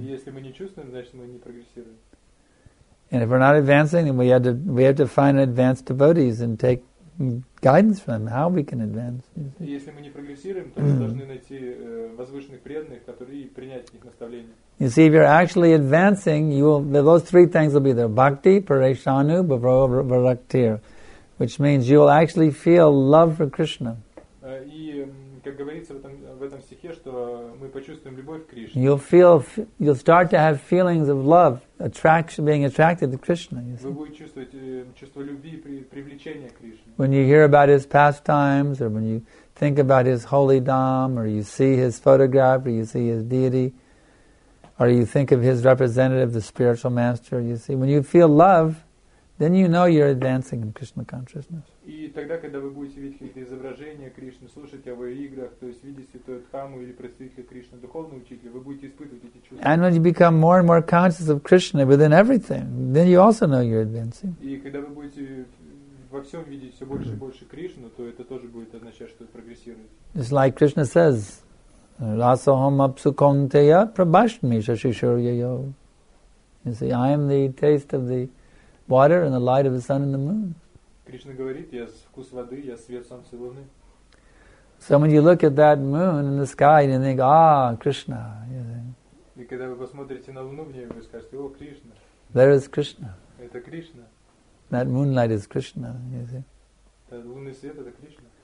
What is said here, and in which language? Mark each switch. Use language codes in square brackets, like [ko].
[ru] И если мы не чувствуем, значит мы не прогрессируем. [en] And if we're not advancing, then we have to find advanced devotees and take guidance from them how we can advance. [ru] И если мы не прогрессируем, то мы должны найти возвышенных преданных, которые принять их наставления. [en] You see, if you're actually advancing, you will. Those three things will be there: [sa] bhakti, pareshanu, bhavaraktir, [en] which means you will actually feel love for Krishna. [ru] И как говорится в этом стихе, что мы почувствуем любовь к Кришне. [en] You'll start to have feelings of love, attraction, being attracted to Krishna. [ru] Вы будете чувствовать чувство любви и привлечения к Кришне. [en] When you hear about his pastimes, or when you think about his holy dham, or you see his photograph, or you see his deity, or you think of his representative, the spiritual master, you see, when you feel love, then you know you're advancing in Krishna consciousness. [ru] И тогда, когда вы будете видеть какие-то изображения Кришны, слушать о его играх, то есть видеть святую Дхаму или представителя Кришны, духовного учителя, вы будете испытывать эти чувства. [en] And when you become more and more conscious of Krishna within everything, then you also know you're advancing. [ru] И когда вы будете во всем видеть все больше и больше Кришну, то это тоже будет означать, что вы прогрессируете. [en] It's like Krishna says, [sa] Rasoham apsukonteya prabhashmi shashishuryayo. [en] You see, I am the taste of the water and the light of the sun and the moon. [ru] Кришна говорит, я вкус воды, я свет солнца и луны. [en] So when you look at that moon in the sky, you think, ah, Krishna. [ru] И когда вы посмотрите на луну в небе, вы скажете, о, Кришна. [en] There is Krishna. [ru] Это Кришна. [en] That moonlight is Krishna, you see. [ru] Это лунный свет, это Кришна.